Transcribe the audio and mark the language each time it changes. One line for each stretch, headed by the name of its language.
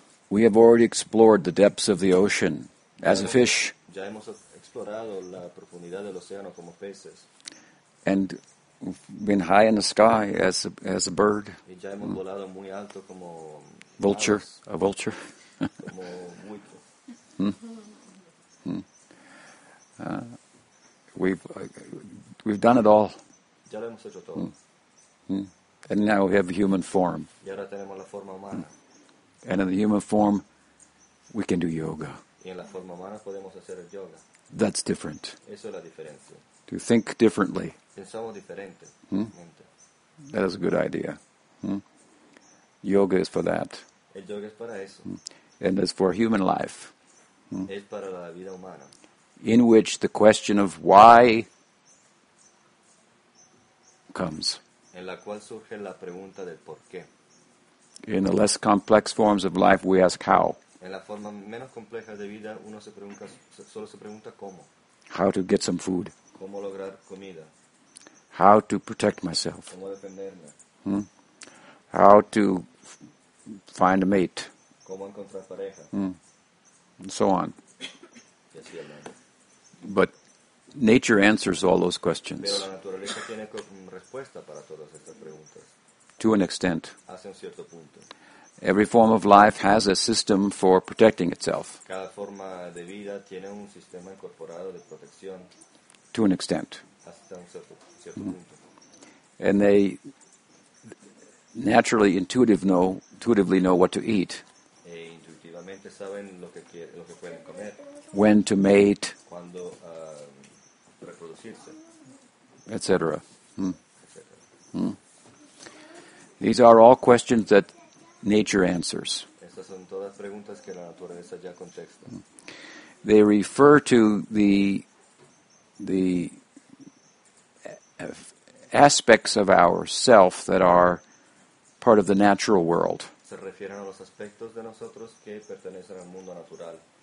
English: We have already explored the depths of the ocean as a fish.
Spanish: Ya hemos explorado la profundidad del océano como peces.
English: And been high in the sky as a bird.
Spanish: Y ya hemos volado muy alto como
English: vulture, a vulture.
Spanish: Como buitre.
English: We've done it all.
Spanish: Ya lo hemos hecho todo.
English: And now we have a human form.
Spanish: Y ahora tenemos la forma humana.
English: And in the human form, we can do yoga.
Spanish: Y en la forma humana podemos hacer el yoga.
English: That's different.
Spanish: Eso es la diferencia.
English: To think differently.
Spanish: Pensamos diferente.
English: That is a good idea. Yoga is for that.
Spanish: El yoga es para eso.
English: And it's for human life.
Spanish: Es para la vida humana.
English: In which the question of why comes.
Spanish: En la cual surge la pregunta del por qué.
English: In the less complex forms of life, we ask how.
Spanish: En la forma menos compleja de vida, uno se pregunta, solo se pregunta cómo.
English: How to get some food.
Spanish: Cómo lograr comida.
English: How to protect myself.
Spanish: Cómo defenderme.
English: How to find a mate.
Spanish: Cómo encontrar pareja.
English: And so on. But nature answers all those questions.
Spanish: Pero la naturaleza tiene respuesta para todas estas preguntas.
English: To an extent.
Spanish: Hace un cierto punto.
English: Every form of life has a system for protecting itself.
Spanish: Cada forma de vida tiene un sistema incorporado de protección.
English: To an extent.
Spanish: Hasta un cierto punto.
English: And they naturally, intuitively know what to eat.
Spanish: E intuitivamente saben lo que pueden comer.
English: When to mate.
Spanish: Cuando, reproducirse.
English: Etc. These are all questions that nature answers.
Spanish: Estas son todas preguntas que la naturaleza ya contesta.
English: They refer to the aspects of our self that are part of the natural world.
Spanish: Se refieren a los aspectos de nosotros que pertenecen al mundo natural.